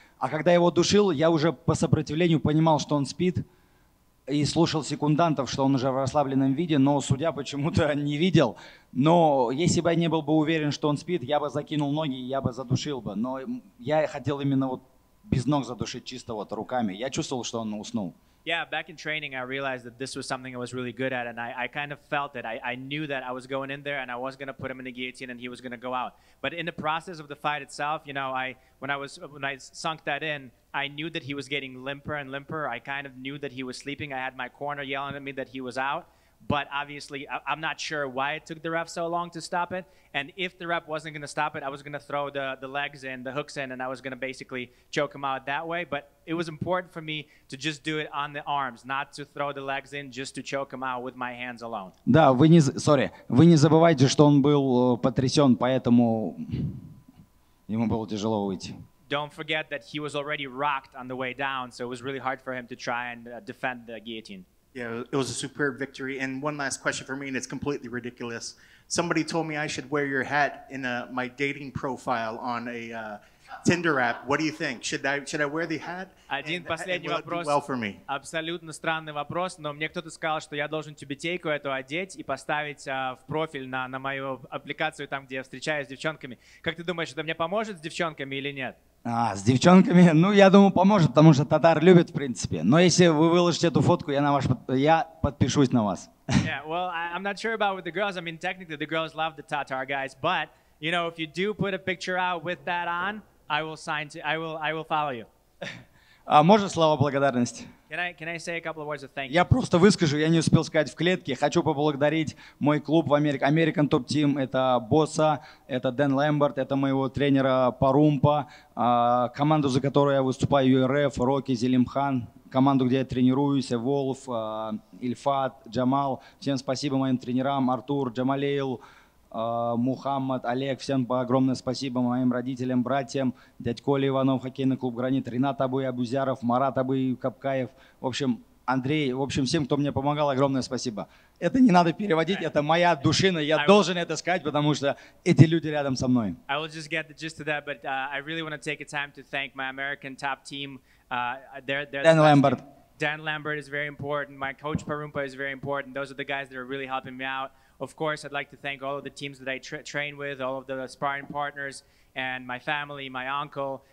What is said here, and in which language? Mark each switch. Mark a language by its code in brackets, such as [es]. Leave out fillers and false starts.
[ru] А когда я его душил, я уже по сопротивлению понимал, что он спит. И слушал секундантов, что он уже в расслабленном виде, но судья почему-то не видел. Но если бы я не был бы уверен, что он спит, я бы закинул ноги, я бы задушил бы. Но я хотел именно вот без ног задушить, чисто вот руками. Я чувствовал, что он уснул. [en] Yeah, back in training, I realized that this was something I was really good at, and I kind of felt it. I knew that I was going in there, and I was going to put him in the guillotine, and he was going to go out. But in the process of the fight itself, you know, when I sunk that in, I knew that he was getting limper and limper. I kind of knew that he was sleeping. I had my corner yelling at me that he was out. But obviously, I'm not sure why it took the ref so long to stop it. And if the ref wasn't going to stop it, I was going to throw the legs in, the hooks in, and I was going to basically choke him out that way. But it was important for me to just do it on the arms, not to throw the legs in, just to choke him out with my hands alone. [ru] Да, вы не забывайте, что он был потрясен, поэтому ему было тяжело выйти. [en] Don't forget that he was already rocked on the way down, so it was really hard for him to try and defend the guillotine. Yeah, it was a superb victory. And one last question for me, and it's completely ridiculous. Somebody told me I should wear your hat in my dating profile on a Tinder app. What do you think? Should I wear the hat? [ru] Один последний вопрос. [en] Well, for me. [ru] Абсолютно странный вопрос, но мне кто-то сказал, что я должен тебе тейку эту одеть и поставить в профиль на мою аппликацию там, где я встречаюсь с девчонками. Как ты думаешь, это мне поможет с девчонками или нет? А, с девчонками? Ну, я думаю, поможет, потому что татар любит, в принципе. Но если вы выложите эту фотку, я подпишусь на вас. [en] Yeah, well, I'm not sure about with the girls. I mean, technically, the girls love the Tatar guys. But, you know, if you do put a picture out with that on, I will follow you. [ru] А можно слова благодарности? [en] Can I say a couple of words of thank you? [ru] Я просто выскажу, я не успел сказать в клетке. Хочу поблагодарить мой клуб в Америке, American Top Team. Это босса, это Дэн Лэмберт, это моего тренера Парумпа, команду, за которую я выступаю, URF, Рокки, Зелимхан, команду, где я тренируюсь, Волф, Ильфат, Джамал. Всем спасибо моим тренерам, Артур, Джамалейл, Мухаммад, Олег, всем огромное спасибо моим родителям, братьям, дядь Коля Иванов, хоккейный клуб «Гранит», Ринат Абуй Абузяров, Марат Абуй Капкаев, в общем, Андрей, в общем, всем, кто мне помогал, огромное спасибо. Это не надо переводить, это моя душина, я должен это сказать, потому что эти люди рядом со мной. [en] I will just get the gist of that, but I really want to take a time to thank my American top team. [ru] Дэн Лэмберт. [en] Дэн Лэмберт is very important, my coach Парумпа is very important, those are the guys that are really helping me out. Of course, I'd like to thank all of the teams that I train with, all of the sparring partners, and my family, my uncle.